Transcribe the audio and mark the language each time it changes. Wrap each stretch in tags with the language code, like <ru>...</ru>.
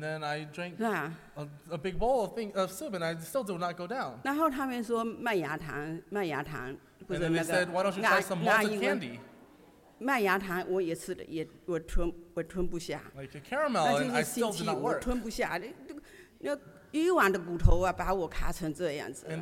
<en>then I drank a big bowl of soup, and I still did not go down.</en> <zh>然后他们说麦芽糖，麦芽糖，不是那个。</zh> <en>And then they said, why don't you try some malted candy?</en> <zh>麦芽糖我也吃了，也吞不下。Like</zh> <en>a caramel, and I still did not work.</en> <zh>那就是星期五吞不下，那鱼丸的骨头啊，把我卡成这样子。And</zh>